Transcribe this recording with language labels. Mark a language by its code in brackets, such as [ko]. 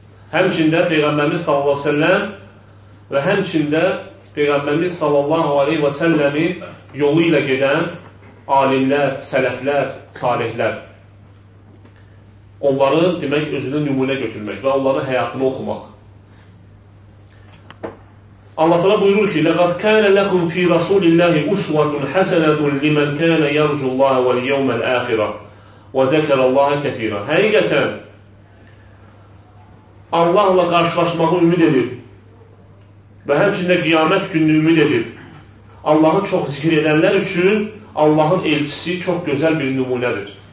[az] Həmçində Peyğəmbərimiz sallallahu aleyhi və səlləm və həmçində Peyğəmbərimiz sallallahu aleyhi və səlləmi yolu ilə gedən alimlər, sələflər, salihlər. Onları, demək, özünə nümunə götürmək və onların həyatını oxumaq. Allah təala buyurur ki, [ar] لَقَدْ كَانَ لَكُمْ فِي رَسُولِ اللَّهِ اُسْوَةٌ حَسَنَةٌ لِمَنْ كَانَ يَرْجُ اللَّهَ وَالْيَوْمَ الْآخِرَةِ وَذَكَرَ اللَّهَ كَثِيرًا. [az] Həqiqətən, Allahla qarşılaşmağı ümid edir və həmçində qiyamət gününü ümid edir. Allahı çox zikir edənlər üçün Allahın elçisi çox gözəl bir nümunədir.